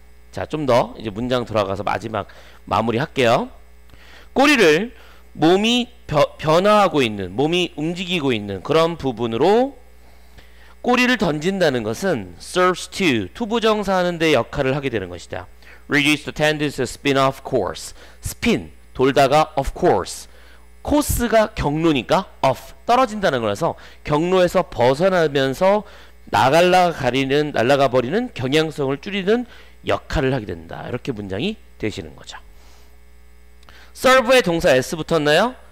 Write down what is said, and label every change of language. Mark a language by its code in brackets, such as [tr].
[ko] 자, 좀 더 이제 문장 돌아가서 마지막 마무리 할게요. 꼬리를 몸이 변화하고 있는, 몸이 움직이고 있는 그런 부분으로 꼬리를 던진다는 것은 [en] serves to, [ko] 투부정사하는 데 역할을 하게 되는 것이다. [en] Reduce the tendency to spin off course. Spin, [ko] 돌다가 [en] of course. [ko] 코스가 경로니까 off, 떨어진다는 거라서 경로에서 벗어나면서 날아가 버리는 경향성을 줄이는 역할을 하게 된다. 이렇게 문장이 되시는 거죠. serve의 동사 s 붙었나요?